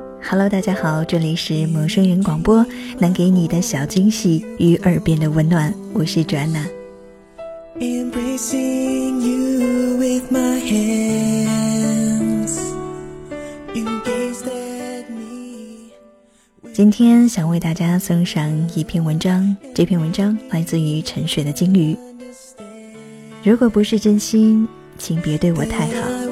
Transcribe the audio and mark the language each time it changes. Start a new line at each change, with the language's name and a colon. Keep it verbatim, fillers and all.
Chinese: Hello， 大家好，这里是陌生人广播，能给你的小惊喜与耳边的温暖，我是 Joanna。
English: Embracing you with my hands, you gazed at me.
Chinese: 今天想为大家送上一篇文章，这篇文章来自于沉睡的鲸鱼。如果不是真心，请别对我太好。